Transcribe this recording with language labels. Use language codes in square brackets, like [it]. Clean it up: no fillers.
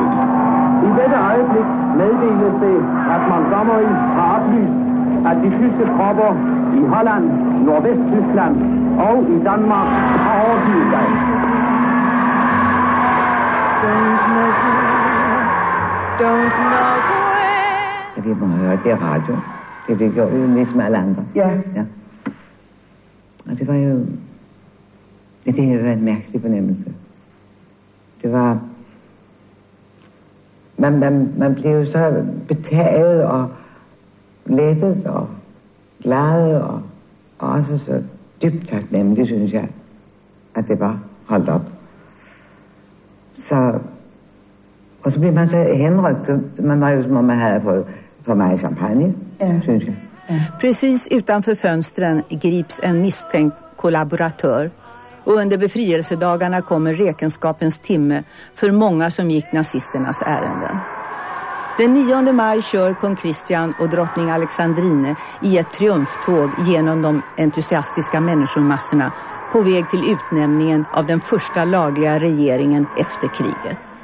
[sv] I detta ögonblick meddelas det att man kommer in och har upplyst att de tyska tropper i Holland, Nordvästtyskland och i Danmark har övergivit sig. Jag vill bara höra, det är radio. Det är det jag gör, liksom alla andra. Ja. Ja. [da] Og det var jo, ja, det var en mærkelig fornemmelse. Det var, man blev jo så betaget og lettet og glad og også så dybt taknemmelig, synes jeg, at det var holdt op. Så, og så blev man så henrykt, så man var jo som om man havde fået for meget champagne, ja, synes jeg. [sv] Precis utanför fönstren grips en misstänkt kollaboratör och under befrielsedagarna kommer räkenskapens timme för många som gick nazisternas ärenden. Den 9 maj kör kung Christian och drottning Alexandrine i ett triumftåg genom de entusiastiska människomassorna på väg till utnämningen av den första lagliga regeringen efter kriget.